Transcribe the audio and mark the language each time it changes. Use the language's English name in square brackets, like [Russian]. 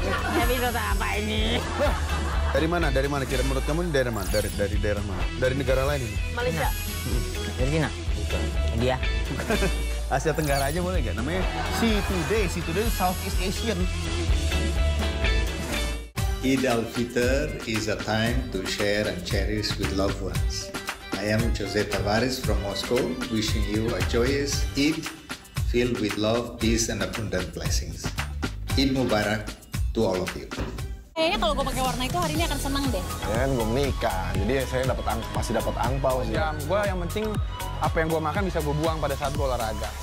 [Indonesian] Jadi apa ini? Dari mana? Dari mana? Kira menurut kamu ini daerah mana? Dari daerah mana? Dari negara lain ini? Malaysia. Dari China? Bukan. India? Bukan. Asia Tenggara aja boleh gak? Namanya See Today. See Today Southeast Asian. [English] Eid al-Fitr is a time to share and cherish with loved ones. I am Jose Tavares from Moscow, wishing you a joyous Eid filled with love, peace, and abundant blessings. Eid Mubarak to all of you. [Indonesian] Kayaknya kalau gue pakai warna itu hari ini akan senang deh. Ya kan gue menikah, jadi saya masih dapat angpau sih. Ya, gue yang penting apa yang gue makan bisa gue buang pada saat gue olahraga.